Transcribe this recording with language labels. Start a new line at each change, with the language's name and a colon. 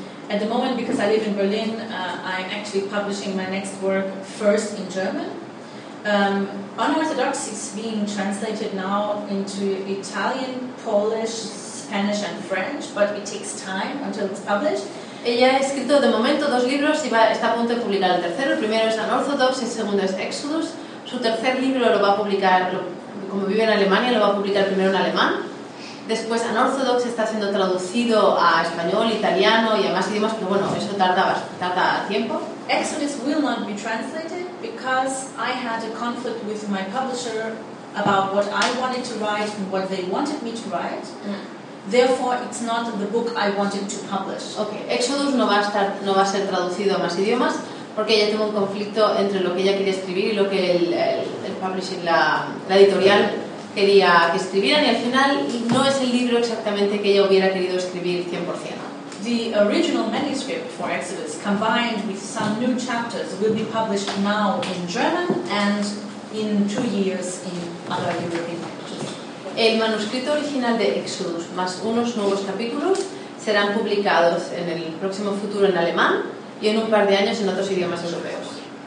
English: At the moment, because I live in Berlin, I'm actually publishing my next work first in German. Unorthodox is being translated now into Italian, Polish, Spanish and French, but it takes time until it's published.
Spanish: Ella ha escrito de momento dos libros y está a punto de publicar el tercero. El primero es Unorthodox y el segundo es Exodus. Su tercer libro lo va a publicar, como vive en Alemania, lo va a publicar primero en alemán. Después, Unorthodox está siendo traducido a español, italiano y a más idiomas, pero bueno, eso tarda tiempo.
English: Exodus will not be translated because I had a conflict with my publisher about what I wanted to write and what they wanted me to write. Mm. Therefore, it's not the book I wanted to publish.
Spanish: Okay, Exodus no va a ser traducido a más idiomas porque ella tuvo un conflicto entre lo que ella quería escribir y lo que el publishing, la editorial quería que escribieran, y al final no es el libro exactamente que ella hubiera querido escribir 100%.
English: The original manuscript for Exodus, combined with some new chapters, will be published now in German and in 2 years in other European languages.
Spanish: El manuscrito original de Exodus más unos nuevos capítulos serán publicados en el próximo futuro en alemán y en un par de años en otros idiomas europeos.